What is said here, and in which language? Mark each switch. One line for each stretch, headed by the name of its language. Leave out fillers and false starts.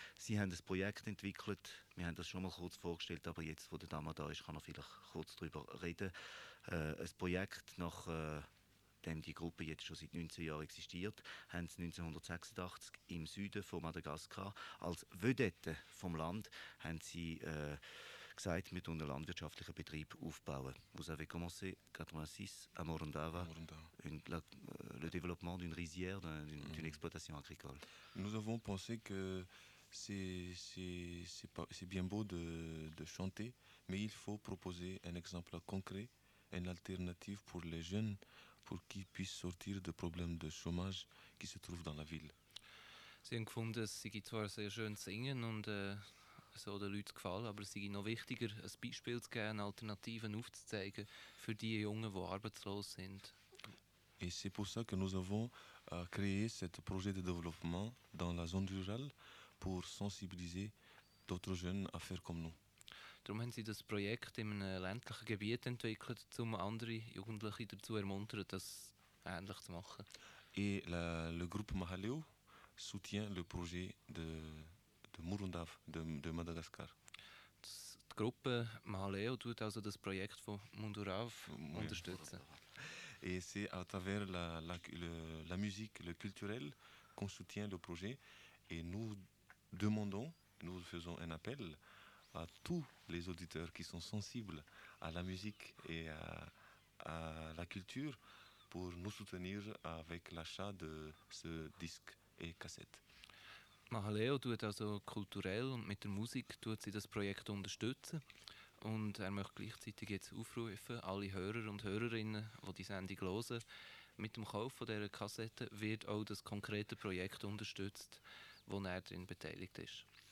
German: Sie haben ein Projekt entwickelt. Wir haben das schon mal kurz vorgestellt, aber jetzt, wo der Dama da ist, kann er vielleicht kurz darüber reden. Ein Projekt nach dem die Gruppe jetzt schon seit 19 Jahren existiert, haben sie 1986 im Süden von Madagaskar als Vedette vom Land haben sie, gesagt, wir bauen einen landwirtschaftlichen Betrieb aufbauen.
French: Vous avez commencé 86 à Morondava, le développement d'une rizière, d'une exploitation agricole. Nous avons pensé que c'est bien beau de chanter, mais il faut proposer un exemple concret, une alternative pour les jeunes, pour qu'ils puissent sortir des problèmes de chômage qui se trouvent dans la ville.
German: Sie haben gefunden, es sei zwar sehr schön zu singen und so den Leuten gefallen, aber es sei noch wichtiger, ein Beispiel zu geben, Alternativen aufzuzeigen für die Jungen, die arbeitslos sind.
French: Et c'est pour ça que nous avons créé ce projet de développement dans la zone rurale pour sensibiliser d'autres jeunes à faire comme nous.
German: Darum haben sie das Projekt in einem ländlichen Gebiet entwickelt, um andere Jugendliche dazu ermuntern, das ähnlich zu machen.
French: Et le groupe Mahaleo soutient le projet de Murundav de Madagascar. Die Gruppe Mahaleo tut also das Projekt von Murundav unterstützen. Et c'est à travers la musique, le culturel, qu'on soutient le projet. Et nous demandons, nous faisons un appel à tous les auditeurs qui sont sensibles à la musique et à la culture pour nous soutenir avec l'achat de ce disque et cassette.
German: Mahaleo tut also kulturell und mit der Musik tut sie das Projekt unterstützen. Und er möchte gleichzeitig jetzt aufrufen, alle Hörer und Hörerinnen, die die Sendung hören, mit dem Kauf von dieser Kassette wird auch das konkrete Projekt unterstützt, wo er drin beteiligt ist.